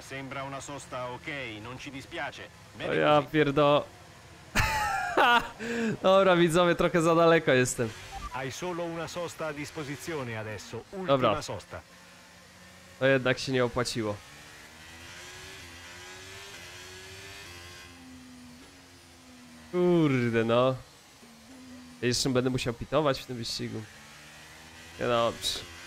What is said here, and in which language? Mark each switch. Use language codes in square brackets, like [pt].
[it] Sembra una sosta ok, non ci dispiace. Bene, [pl] ja pierdo. Dobra, widzowie, trochę za daleko jestem. [it] Hai solo una sosta a disposizione adesso. Ultima sosta. [pl] To jednak się nie opłaciło. Kurde, no. Ja jeszcze będę musiał pitować w tym wyścigu. Nie dobrze.